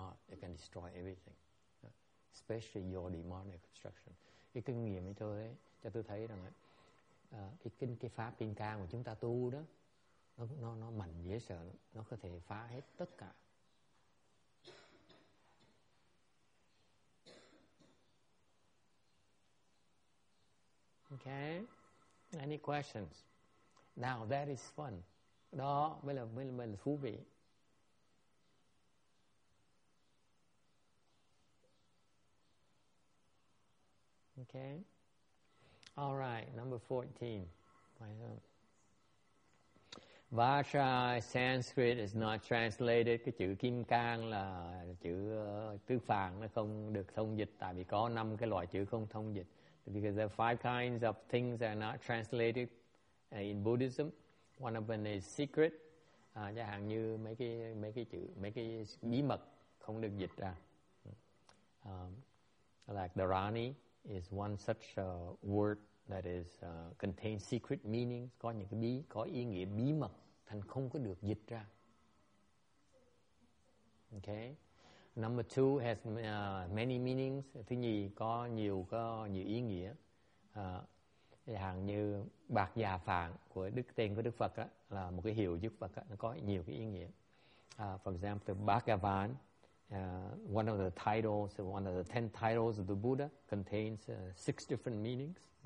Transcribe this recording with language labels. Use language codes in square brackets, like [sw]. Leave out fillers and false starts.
[en] It can destroy everything, especially your demonic obstruction. [vi] Cái kinh nghiệm cho tôi thấy rằng cái pháp kim cang mà chúng ta tu đó, nó mạnh dễ sợ lắm. Nó có thể phá hết tất cả. [en] Okay, any questions? Now that is fun. [vi] Đó mới là thú vị. [en] Okay. All right, number 14. Vajra Sanskrit is not translated. [vi] Cái chữ kim cang là chữ tứ phạn, nó không được thông dịch tại vì có năm cái loại chữ không thông dịch. [en] Because there are five kinds of things that are not translated in Buddhism. One of them is secret. [vi] Chẳng hạn như mấy cái chữ bí mật không được dịch ra. [en] Like the Rani is one such word that is contains secret meaning. [vi] Có những cái bí, có ý nghĩa bí mật, thành không có được dịch ra. [en] Okay. Number two has many meanings. [vi] Thứ nhì có nhiều ý nghĩa. Hàng như bạc già phạn của đức tên của Đức Phật á, là một cái hiệu Đức Phật á, nó có nhiều cái ý nghĩa. [en] For example, the Bhagavan, one of the titles, one of the 10 titles of the Buddha, contains 6 different meanings.